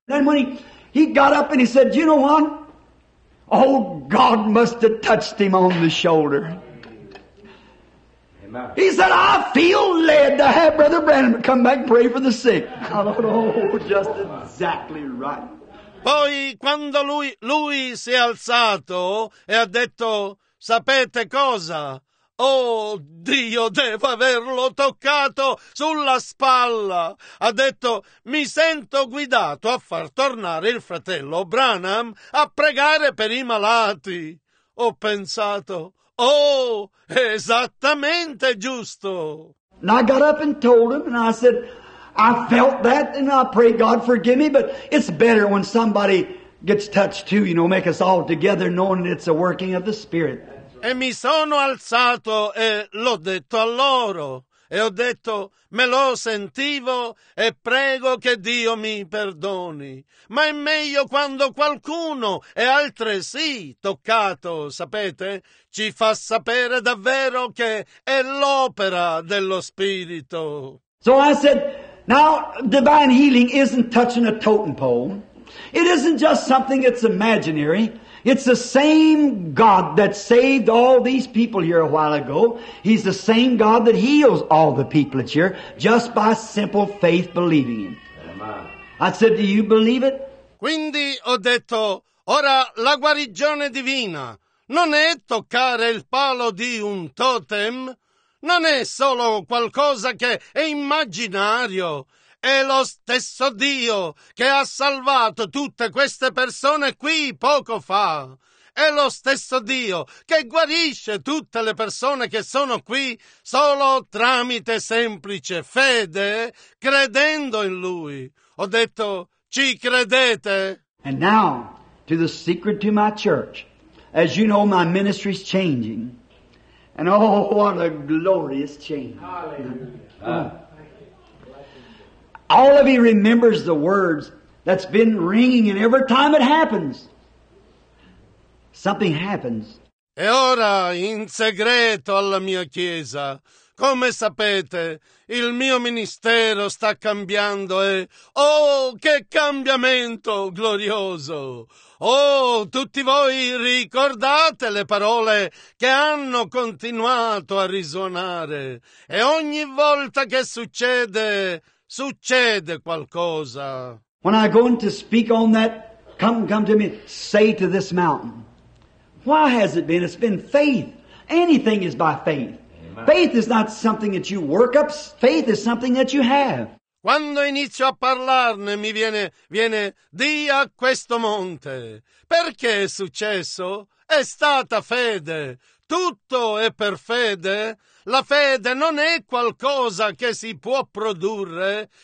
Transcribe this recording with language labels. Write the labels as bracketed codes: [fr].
[en] Then when he got up and he said, you know what? Oh, God must have touched him on the shoulder. He said, I feel led to have Brother Branham come back and pray for the sick. I thought, oh, just exactly right. [it] Poi, quando lui si è alzato e ha detto, sapete cosa? Oh, Dio, devo averlo toccato sulla spalla. Ha detto, mi sento guidato a far tornare il fratello Branham a pregare per i malati. Ho pensato, oh, esattamente giusto. [en] And I got up and told him, and I said, I felt that, and I pray God forgive me, but it's better when somebody gets touched too, you know, make us all together knowing it's a working of the Spirit. [it] E mi sono alzato e l'ho detto a loro. E ho detto, me lo sentivo e prego che Dio mi perdoni. Ma è meglio quando qualcuno è altresì toccato, sapete? Ci fa sapere davvero che è l'opera dello Spirito. [en] So I said, now divine healing isn't touching a totem pole. It isn't just something that's imaginary. It's the same God that saved all these people here a while ago. He's the same God that heals all the people that's here just by simple faith believing Him. I said, do you believe it? [it] Quindi ho detto, ora la guarigione divina non è toccare il palo di un totem. Non è solo qualcosa che è immaginario. È lo stesso Dio che ha salvato tutte queste persone qui poco fa. È lo stesso Dio che guarisce tutte le persone che sono qui solo tramite semplice fede, credendo in Lui. Ho detto, ci credete? [en] And now, to the secret to my church. As you know, my ministry is changing. And oh, what a glorious change. Hallelujah. All of you remembers the words that's been ringing, and every time it happens, something happens. [it] E ora, in segreto alla mia chiesa, come sapete, il mio ministero sta cambiando e, oh, che cambiamento glorioso! Oh, tutti voi ricordate le parole che hanno continuato a risuonare, e ogni volta che succede... succede qualcosa. [en] When I go in to speak on that, come to me, say to this mountain. Why has it been? It's been faith. Anything is by faith. Amen. Faith is not something that you work up. Faith is something that you have. [it] Quando inizio a parlarne, mi viene di a questo monte. Perché è successo? È stata fede. Tutto è per fede. La fede non è qualcosa che si può produrre.